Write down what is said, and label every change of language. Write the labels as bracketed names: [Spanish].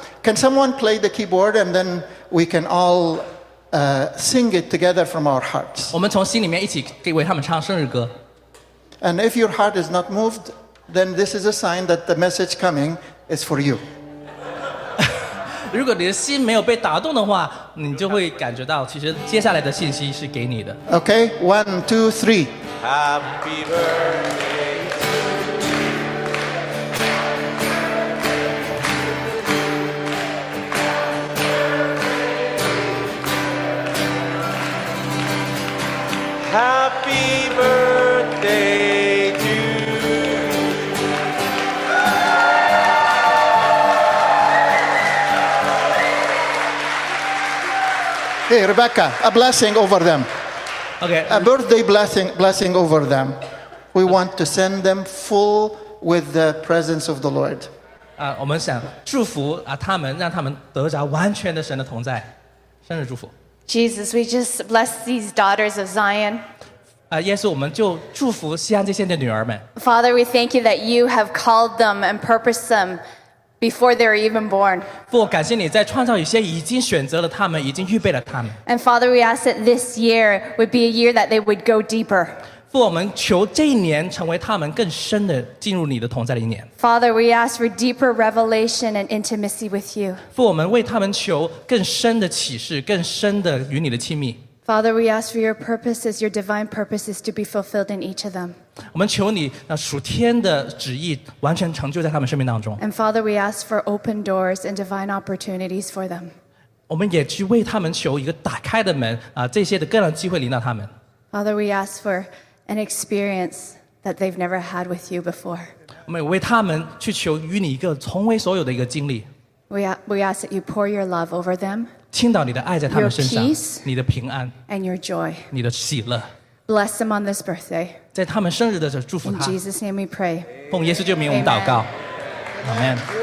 [English] Can someone play the keyboard and then we can all sing it together from our hearts? [Chinese] 我们从心里面一起为他们唱生日歌。 [English] And if your heart is not moved, then this is a sign that the message coming is for you. [Chinese] 如果你的心没有被打动的话，你就会感觉到，其实接下来的信息是给你的。 [English] Okay, one, two, three. Happy birthday. Happy birthday. Hey, Rebecca, a blessing over them. Okay. A birthday blessing over them. We want to send them full with the presence of the Lord. [Chinese] 我们想祝福他们，让他们得着完全的神的同在。生日祝福。 [English] Jesus, we just bless these daughters of Zion. [Chinese] 耶稣，我们就祝福锡安这些的女儿们。 [English] Father, we thank you that you have called them and purposed them before they were even born. [Chinese] 父，感谢你在创造以前已经选择了他们，已经预备了他们。 [English] And Father, we ask that this year would be a year that they would go deeper. [Chinese] 父，我们求这一年成为他们更深的进入你的同在的一年。 [English] Father, we ask for deeper revelation and intimacy with you. [Chinese] 父，我们为他们求更深的启示，更深的与你的亲密。 [English] Father, we ask for your purposes, your divine purposes to be fulfilled in each of them. [Chinese] 我们求你那属天的旨意完全成就在他们生命当中。 [English] And Father, we ask for open doors and divine opportunities for them. [Chinese] 我们也去为他们求一个打开的门啊，这些的各样的机会临到他们。 [English] Father, we ask for an experience that they've never had with you before. [Chinese] 我们为他们去求与你一个从未所有的一个经历。 [English] We ask that you pour your love over them. [Chinese] 倾倒你的爱在他们身上。 [English] Your peace. [Chinese] 你的平安。 [English] And your joy. [Chinese] 你的喜乐。 [English] Bless them on this birthday. [Chinese] 在他们生日的时候祝福他。 [English] In Jesus' name we pray. [Chinese] 奉耶稣救名我们祷告。Amen.